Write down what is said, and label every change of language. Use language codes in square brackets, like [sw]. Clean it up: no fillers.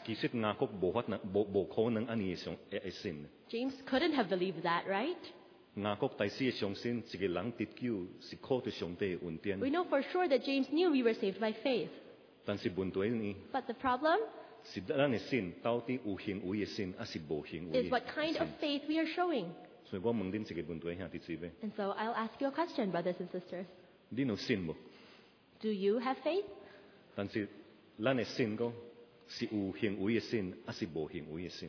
[nan] 其实雅各无法能无可能安尼相信。 [en] James couldn't have believed that, right? [nan] 雅各第四相信自己人得救是靠着上帝恩典。 [en] We know for sure that James knew we were saved by faith. [nan] 但是问题呢 [en] ？But the problem? [nan] 是咱的信到底有行为的信，还是无行为 [en] ？Is what kind of faith we are showing? [nan] 所以我问恁一个问题，兄弟姊妹。 [en] And so I'll ask you a question, brothers and sisters. [nan] 恁有信无？ [en] Do you have faith? [nan] 但是咱的信讲是有行为的信，还是无行为的信